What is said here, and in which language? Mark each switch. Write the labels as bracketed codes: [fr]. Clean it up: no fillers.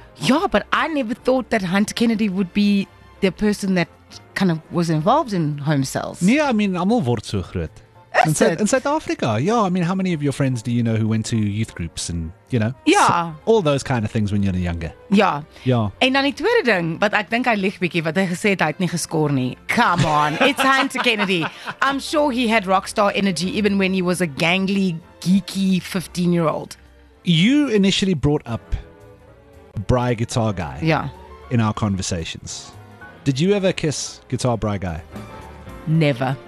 [en] Yeah, but I never thought that Hunter Kennedy would be the person that kind of was involved in home cells. Yeah, I mean, [af] almal word so groot. [en] In South Africa, yeah. I mean, how many of your friends do you know who went to youth groups and, you know? Yeah. All those kind of things when you're younger. Yeah. Yeah. [af] En dan die tweede ding, wat ek dink hy lieg bietjie, wat hy gesê het, hy het nie geskoor nie. [en] Come on, it's Hunter Kennedy. I'm sure he had rockstar energy even when he was a gangly, geeky 15-year-old. You initially brought up Braai Guitar Guy. Yeah. In our conversations. Did you ever kiss Guitar Braai Guy? Never.